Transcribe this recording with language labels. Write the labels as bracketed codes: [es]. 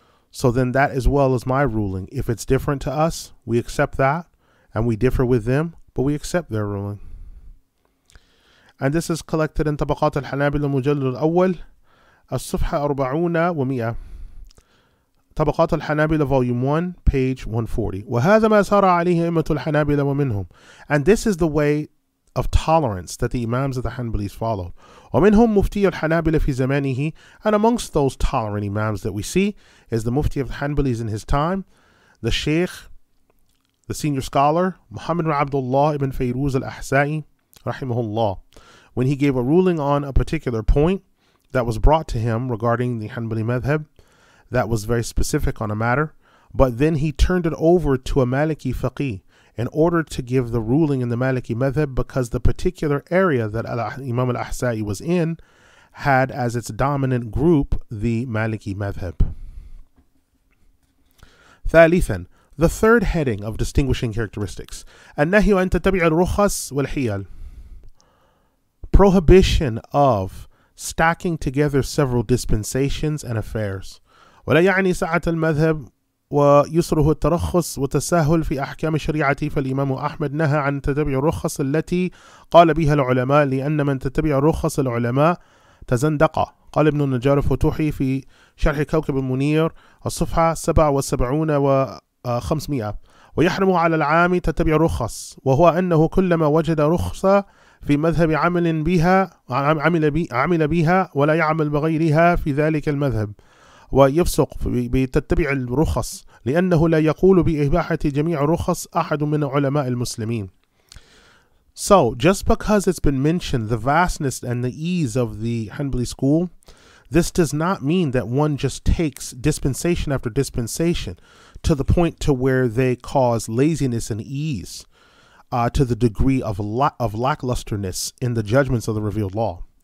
[en] So then that as well as my ruling. If it's different to us, we accept that and we differ with them, but we accept their ruling. And this is collected in Tabaqat al-Hanabil al-Mujallad al-Awwal, al-Sufha 40 and 100. طبقات الحنابلة volume 1 page 140. [ar] وهذا ما سار عليه أمة الحنابلة ومنهم. [en] And this is the way of tolerance that the Imams of the Hanbalis followed. [ar] ومنهم مفتي الحنابلة في زمانه. [en] And amongst those tolerant Imams that we see is the Mufti of the Hanbalis in his time, the Sheikh, the senior scholar Muhammad bin Abdullah ibn Fayruz al-Ahsa'i رحمه الله. When he gave a ruling on a particular point that was brought to him regarding the Hanbali madhab, that was very specific on a matter, but then he turned it over to a Maliki faqih in order to give the ruling in the Maliki madhab, because the particular area that Imam al-Ahsa'i was in had as its dominant group the Maliki madhab. Thalithan, the third heading of distinguishing characteristics. [ar] An-nahyu an tattabi' al-rukhas wal-hiyal. [en] Prohibition of stacking together several dispensations and affairs. [ar] ولا يعني سعة المذهب ويسره الترخص وتساهل في أحكام الشريعة فالإمام أحمد نهى عن تتبع الرخص التي قال بها العلماء لأن من تتبع رخص العلماء تزندق قال ابن النجار الفتوحي في شرح كوكب المنير الصفحة 77 و500 ويحرم على العام تتبع رخص وهو أنه كلما وجد رخصة في مذهب عمل بها عمل بها ولا يعمل بغيرها في ذلك المذهب ويفسق بتتبع الرخص لأنه لا يقول بإباحة جميع الرخص أحد من علماء المسلمين. [en] So just because it's been mentioned the vastness and the ease of the Hanbali school, this does not mean that one just takes dispensation after dispensation to the point to where they cause laziness and ease to the degree of lacklusterness in the judgments of the revealed law.